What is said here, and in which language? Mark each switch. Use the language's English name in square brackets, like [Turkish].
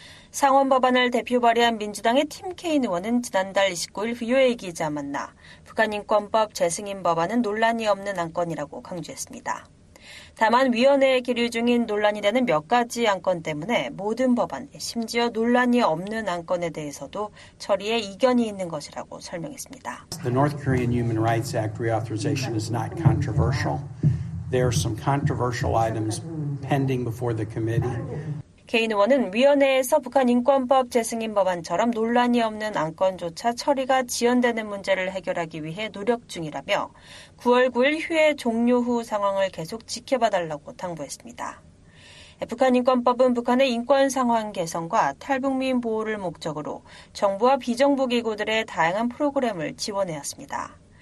[Korean] 상원 법안을 대표 발의한 민주당의 팀 케인 의원은 지난달 29일 VOA 기자 만나 북한 인권법 재승인 법안은 논란이 없는 안건이라고 강조했습니다. 다만 위원회에 기류 중인 논란이 되는 몇 가지 안건 때문에 모든 법안, 심지어 논란이 없는 안건에 대해서도 처리에 이견이 있는 것이라고 설명했습니다. [English] The North Korean Human Rights Act reauthorization is not controversial. There are some controversial items pending before the committee. [Korean] 케인 의원은 위원회에서 북한 인권법 재승인 법안처럼 논란이 없는 안건조차 처리가 지연되는 문제를 해결하기 위해 노력 중이라며 9월 9일 휴회 종료 후 상황을 계속 지켜봐달라고 당부했습니다. 북한 인권법은 북한의 인권 상황 개선과 탈북민 보호를 목적으로 정부와 비정부기구들의 다양한 프로그램을 지원해왔습니다.